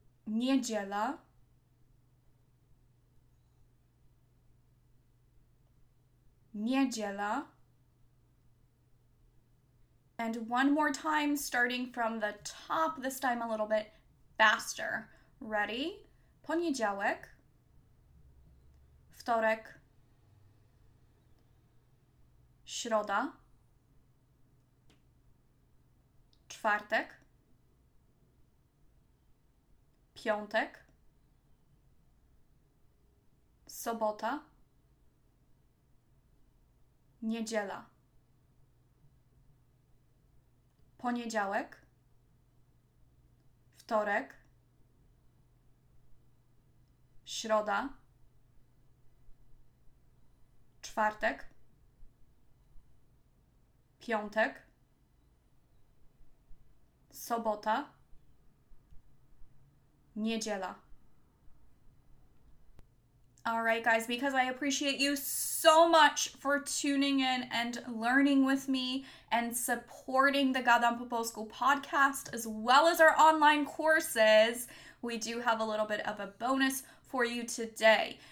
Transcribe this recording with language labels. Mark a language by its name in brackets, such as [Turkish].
[Polish] Niedziela. Niedziela. [English] And one more time, starting from the top, this time a little bit faster. Ready? [Polish] Poniedziałek, wtorek, środa, czwartek, piątek, sobota, niedziela. Poniedziałek, wtorek, środa, czwartek, piątek, sobota, niedziela. [English] All right, guys, because I appreciate you so much for tuning in and learning with me and supporting the Gadam po Polsku podcast as well as our online courses, we do have a little bit of a bonus for you today.